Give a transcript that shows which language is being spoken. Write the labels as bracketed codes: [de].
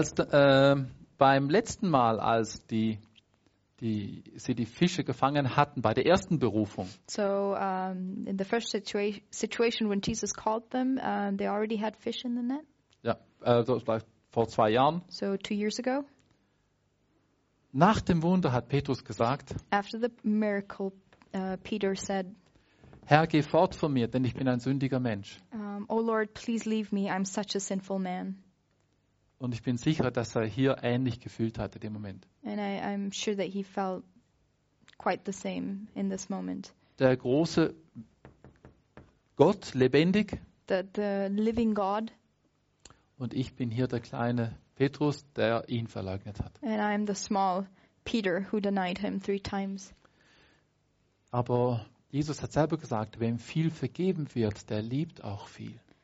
[de] Beim letzten Mal, als die Fische gefangen hatten bei der ersten Berufung. [en] So in the first situation when Jesus called them, they already had fish in the net. [de] Ja, also vor 2 Jahren. [en] So 2 years ago. [de] Nach dem Wunder hat Petrus gesagt. [en] After the miracle, Peter said. [de] Herr, geh fort von mir, denn ich bin ein sündiger Mensch. [en] Oh Lord, please leave me. I'm such a sinful man. [de] Und ich bin sicher, dass er hier ähnlich gefühlt hat in dem Moment. [en] And I'm sure that he felt quite the same in this moment. [de] Der große Gott lebendig. [en] The living God. [de] Und ich bin hier der kleine Petrus, der ihn verleugnet hat. [en] And I am the small Peter who denied him 3 times. [de] Aber Jesus hat selber gesagt, wem viel vergeben wird, der liebt auch viel.